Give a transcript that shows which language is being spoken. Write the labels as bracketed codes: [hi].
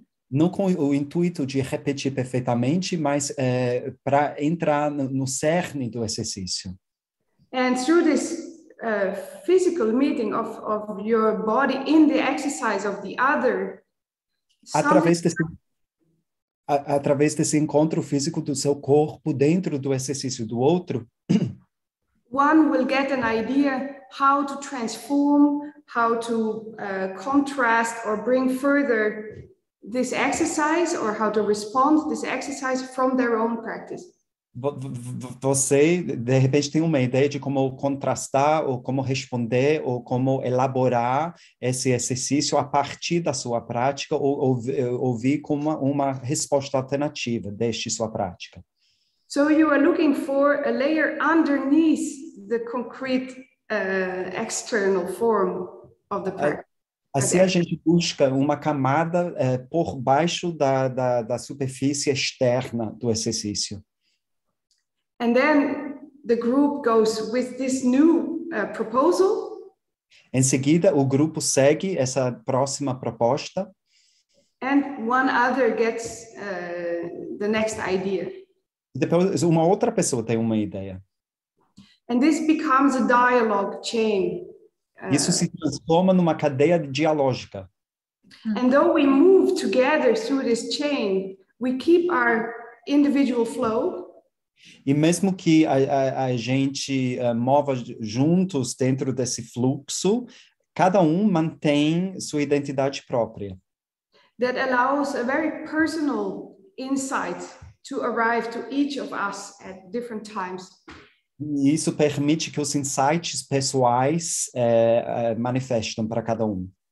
[pt] Não com o intuito de repetir perfeitamente, mas para entrar no cerne do exercício. [en] And through this physical meeting of your body in the exercise of the other. [pt] Através desse encontro físico do seu corpo dentro do exercício do outro. [en] One will get an idea how to transform, how to contrast or bring further this exercise or how to respond to this exercise from their own practice. [pt] Você, de repente, tem uma ideia de como contrastar ou como responder ou como elaborar esse exercício a partir da sua prática ou ouvir como uma resposta alternativa deste sua prática. [en] So you are looking for a layer underneath the concrete external form of the practice. [pt] Assim a gente busca uma camada por baixo da superfície externa do exercício. [en] And then the group goes with this new proposal. [pt] Em seguida, o grupo segue essa próxima proposta. [en] And one other gets the next idea. [pt] Depois, uma outra pessoa tem uma ideia. [en] And this becomes a dialogue chain. [pt] Isso se transforma numa cadeia dialógica. [en] And though we move together through this chain, we keep our individual flow. [pt] E mesmo que a gente mova juntos dentro desse fluxo, cada um mantém sua identidade própria. [en] That allows a very personal insight to arrive to each of us at different times. [pt] E isso permite que os insights pessoais manifestem para cada um.